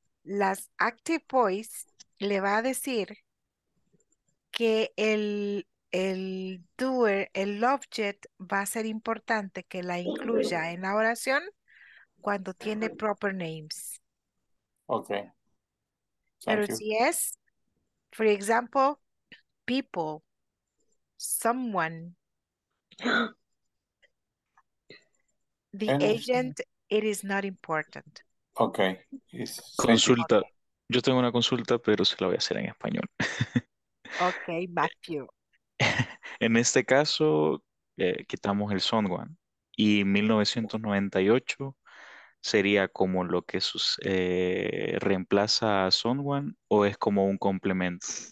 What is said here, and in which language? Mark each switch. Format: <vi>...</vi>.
<es>Las active voice le va a decir que el doer, el object va a ser importante que la incluya en la oración cuando tiene proper names.</es> <en>Okay.</en> <es>Pero si es,</es> <en>for example, people, someone, the agent, it is not important. Okay.</en> <es>Consulta. Yo tengo una consulta, pero se la voy a hacer en español.</es> <en>Okay, Matthew.</en> <es>En este caso, quitamos el son one. Y 1998 sería como lo que reemplaza a son one, o es como un complemento.</es>